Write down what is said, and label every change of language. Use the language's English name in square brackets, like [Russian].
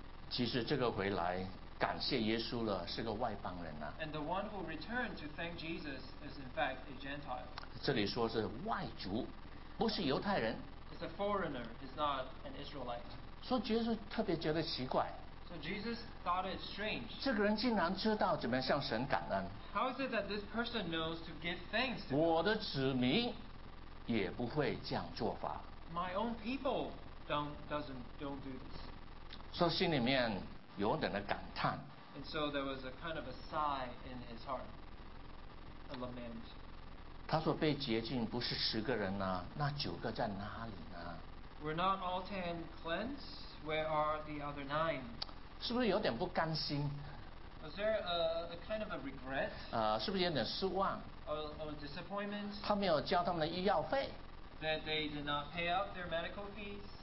[Chinese] 其实这个回来感谢耶稣了是个外邦人啊。 [English] And the one who returned to thank Jesus is in fact a Gentile. [Chinese] 这里说是外族不是犹太人。 [English] It's a foreigner, it's not an Israelite. [Chinese] 说耶稣特别觉得奇怪。 [English] So Jesus thought it strange. [Chinese] 这个人竟然知道怎么向神感恩。 [English] How is it that this person knows to give thanks to God? [Chinese] 我的子民也不会这样做法。 [English] My own people. Don't do this. [Chinese] 说心里面有点的感叹。 [English] And so there was a kind of a sigh in his heart, a lament. [Chinese] 他说被洁净不是十个人呢，那九个在哪里呢？ [English] We're not all ten cleansed. Where are the other nine? [Chinese] 是不是有点不甘心？ [English] Was there a kind of a regret? [Chinese] 是不是有点失望？ [English] Or disappointment? [Chinese] 他没有交他们的医药费。 [English] That they did not pay up their medical fees.